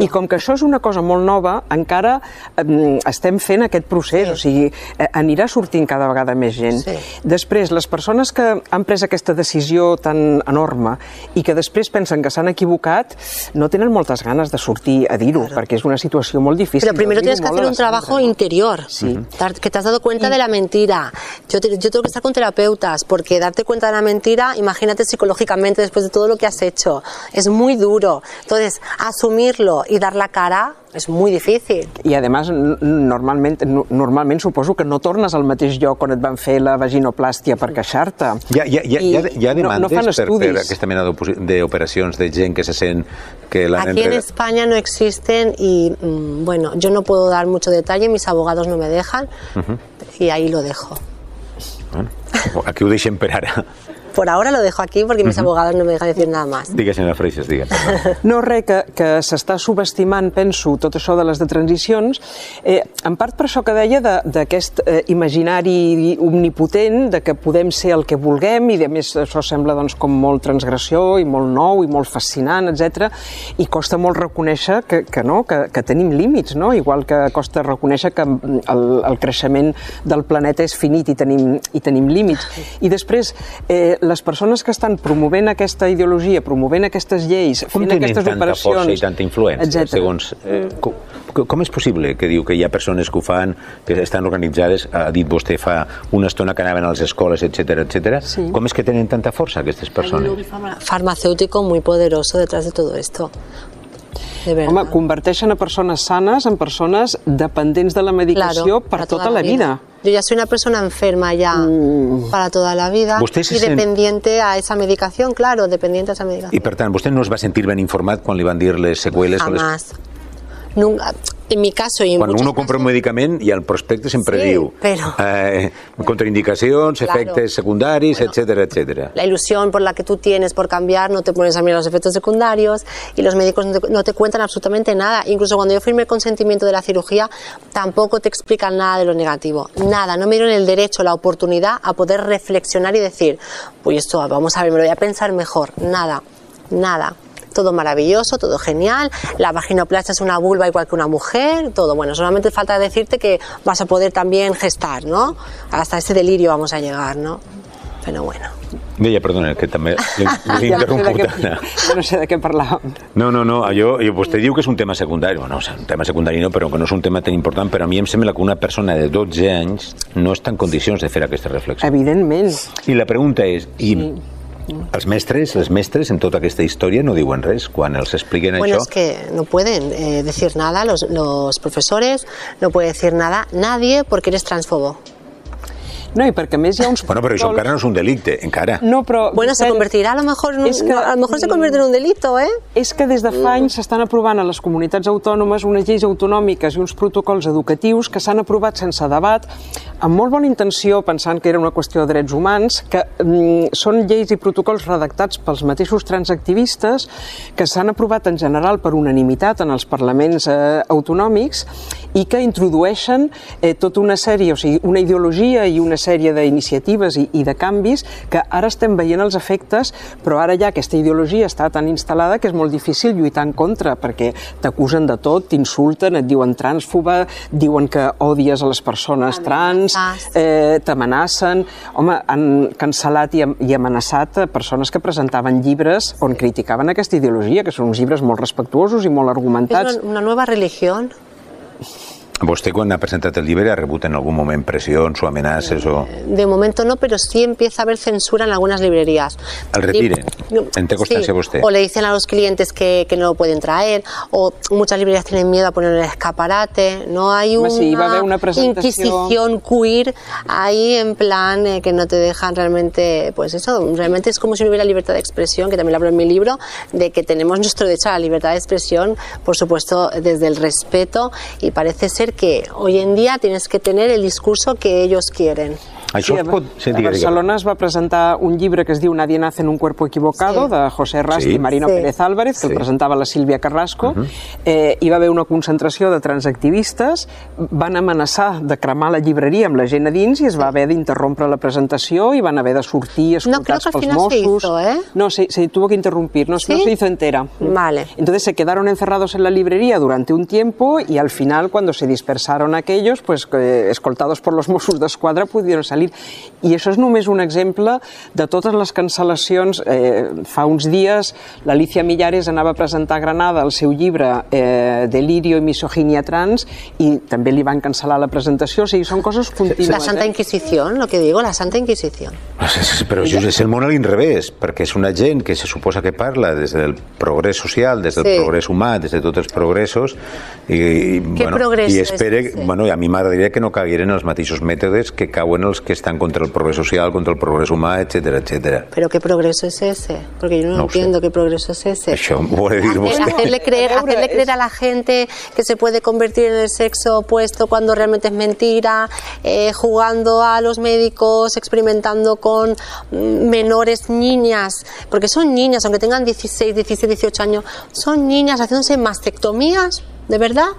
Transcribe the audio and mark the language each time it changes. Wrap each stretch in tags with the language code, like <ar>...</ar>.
<ca>I com que això és una cosa molt nova, encara estem fent aquest procés. Sí. O sigui, anirà sortint cada vegada més gent. Sí. Després, les persones que han pres aquesta decisió tan enorme i que després pensen que s'han equivocat, no tenen moltes ganes de sortir a dir-ho, claro. perquè és una situació molt difícil.</ca> <es>Però primer tienes que hacer un trabajo interior, sí. que t'has dado cuenta de la mentira. Yo tengo que estar con terapeutas, porque darte cuenta de la mentira, imagínate psicológicamente después de todo lo que has hecho. Es muy duro. Entonces, asumirlo y dar la cara...</es> <ca>És molt difícil. I, a més, normalment suposo que no tornes al mateix lloc on et van fer la vaginoplàstia per queixar-te. Ja demandes no per aquesta mena d'operacions de gent que se sent que l'han entregat?</ca> <es>Aquí en España no existen y, bueno, yo no puedo dar mucho detalle, mis abogados no me dejan, y ahí lo dejo.</es> <ca>Bueno, aquí ho deixem per ara.</ca> <es>Por ahora lo dejo aquí porque mis abogados no me dejan decir nada más.</es> <ca>Digues, senyora Freixas, digues. No, res, que s'està subestimant, penso, tot això de les transicions, en part per això que deia d'aquest imaginari omnipotent de que podem ser el que vulguem i, a més, això sembla doncs, com molt transgressió i molt nou i molt fascinant, etc. I costa molt reconèixer que no, que tenim límits, no? Igual que costa reconèixer que el creixement del planeta és finit i tenim límits. I després... les persones que estan promovent aquesta ideologia, promovent aquestes lleis, com fent aquestes operacions... Com tenen tanta força i tanta influència, etcètera. Segons... Com és possible que diu que hi ha persones que ho fan, que estan organitzades, ha dit vostè fa una estona que anaven a les escoles, etcètera, etcètera, sí. Com és que tenen tanta força aquestes persones?</ca> <es>Farmacèutico muy poderoso detrás de todo esto.</es> <ca>Home, converteixen a persones sanes en persones dependents de la medicació</ca> <es>claro,</es> <ca>per tota la vida.</ca> <es>Yo ya soy una persona enferma ya para toda la vida dependiente a esa medicación, claro, dependiente a esa medicación.</es> <ca>I per tant, vostè no es va sentir ben informat quan li van dir les seqüeles?</ca> <es>Jamás.</es> <ca>Les...</ca> <es>Nunca... En mi caso, y en cuando uno casos...</es> <ca>compra un medicament i el prospecte sempre</ca> <es>sí,</es> <ca>diu</ca> <es>pero...</es> <ca>contraindicacions,</ca> <es>claro.</es> <ca>efectes secundaris,</ca> <es>bueno, etcétera, etcétera. La ilusión por la que tú tienes por cambiar no te pones a mirar los efectos secundarios y los médicos no te cuentan absolutamente nada. Incluso cuando yo firmé el consentimiento de la cirugía tampoco te explican nada de lo negativo. Nada, no me dieron el derecho, la oportunidad a poder reflexionar y decir pues esto, vamos a ver, me lo voy a pensar mejor. Nada, nada. Todo maravilloso, todo genial, la vaginoplastia es una vulva igual que una mujer, todo bueno, solamente falta decirte que vas a poder también gestar, ¿no? Hasta ese delirio vamos a llegar, ¿no? Pero bueno.</es> <ca>Deia, perdona, que també l'he interromput, Anna. Jo no sé de què parlàvem. No, allò, vostè diu que és un tema secundari, bueno, un tema secundari no, però que no és un tema tan important, però a mi em sembla que una persona de 12 anys no està en condicions de fer aquesta reflexió. Evidentment. I la pregunta és... Els mestres, en tota aquesta història no diuen res quan els expliquen bueno, això.</ca> <es>Bueno, es que no pueden decir nada los profesores, no puede decir nada nadie porque eres transfobo.</es> <ca>No, i perquè a més hi ha uns protocols... Bueno, però això encara no és un delicte, encara. No, però...</ca> <es>Bueno, se convertirà a lo mejor en un... Que... A lo mejor se convertirà en un delito, eh?</es> <ca>És que des de fa anys s'estan aprovant a les comunitats autònomes unes lleis autonòmiques i uns protocols educatius que s'han aprovat sense debat, amb molt bona intenció, pensant que era una qüestió de drets humans, que són lleis i protocols redactats pels mateixos transactivistes que s'han aprovat en general per unanimitat en els parlaments autonòmics i que introdueixen tota una sèrie, o sigui, una ideologia i una sèrie d'iniciatives i de canvis que ara estem veient els efectes, però ara ja aquesta ideologia està tan instal·lada que és molt difícil lluitar en contra, perquè t'acusen de tot, t'insulten, et diuen transfoba, diuen que odies a les persones trans, t'amenacen. Home, han cancel·lat i amenaçat persones que presentaven llibres on criticaven aquesta ideologia, que són uns llibres molt respectuosos i molt argumentats. És una nova religió. ¿Vostè</ca> <es>cuando ha presentado el libro</es> <ca>ha rebut</ca> <es>en algún momento presión o amenazas? O... De momento no, pero sí empieza a haber censura en algunas librerías. ¿Al retire? ¿En qué constancia usted? O le dicen a los clientes que no lo pueden traer, o muchas librerías tienen miedo a poner el escaparate. No hay una, sí, iba a haber una presentación... inquisición queer ahí en plan que no te dejan realmente... Pues eso, realmente es como si no hubiera libertad de expresión, que también lo hablo en mi libro, de que tenemos nuestro derecho a la libertad de expresión, por supuesto, desde el respeto, y parece ser que hoy en día tienes que tener el discurso que ellos quieren. Sí,</es> <ca>a Barcelona es va presentar un llibre que es diu Nadie nace en un cuerpo equivocado, sí, de José Ras, sí, i Marina, sí, Pérez Álvarez, que, sí, el presentava la Sílvia Carrasco. Uh-huh. Hi va haver una concentració de transactivistes, van amenaçar de cremar la llibreria amb la gent a dins i es va haver d'interrompre la presentació i van haver de sortir escoltats pels Mossos.</ca> <es>No, creo que al final se hizo, No, se tuvo que interrumpir, no, ¿sí? No se hizo entera. Vale. Entonces se quedaron encerrados en la librería durante un tiempo y al final, cuando se dispersaron aquellos, pues escoltados por los Mossos d'Esquadra, pudieron salir.</es> <ca>I això és només un exemple de totes les cancel·lacions. Fa uns dies l'Alicia Millares anava a presentar a Granada el seu llibre Delirio y misoginia trans i també li van cancel·lar la presentació. O sigui, són coses contínues. La Santa Inquisició, lo que digo, la Santa Inquisició. Però això és el món a l'inrevés, perquè és una gent que se suposa que parla des del progrés social, des del, sí, progrés humà, des de tots els progressos, i espere, bueno, i a mi m'agradaria que no caguin els mateixos mètodes que cauen els que estan contra el progrés social, contra el progrés humà, etc. Però què progrés és ese? Perquè jo no entiendo què progrés és ese. Això m'ho vol dir vostè.</ca> <es>Hacerle creer a la gente que se puede convertir en el sexo opuesto cuando realmente es mentira, jugando a los médicos, experimentando con menores, niñas, porque son niñas, aunque tengan 16, 17, 18 años, son niñas haciéndose mastectomías, ¿de verdad?</es>